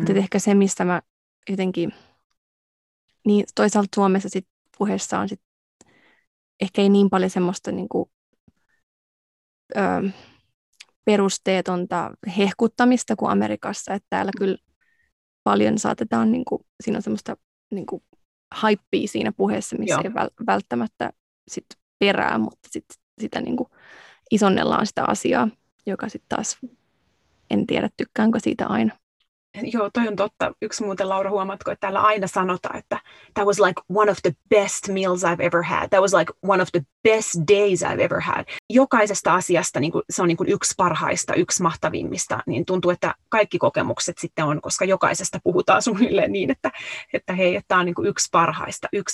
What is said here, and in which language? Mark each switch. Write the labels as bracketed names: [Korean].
[Finnish] Että ehkä se, mistä mä jotenkin, niin toisaalta Suomessa sit puheessa on sit ehkä ei niin paljon semmoista niin kuin perusteetonta hehkuttamista kuin Amerikassa, että täällä kyllä paljon saatetaan, niin kuin, siinä on semmoista niin kuin haippia siinä puheessa, missä Joo. ei välttämättä sit perää, mutta sitä niin kuin isonnellaan sitä asiaa, joka sitten taas en tiedä tykkäänkö siitä aina. Joo, toi on totta. Yksi muuten, Laura, huomatko, että täällä aina sanotaan, että [English] that was like one of the best meals I've ever had. That was like one of the best days I've ever had. [Finnish] Jokaisesta asiasta niin kuin, se on niin kuin yksi parhaista, yksi mahtavimmista, niin tuntuu, että kaikki kokemukset sitten on, koska jokaisesta puhutaan suunnilleen niin, että hei, että tämä on niin kuin yksi parhaista.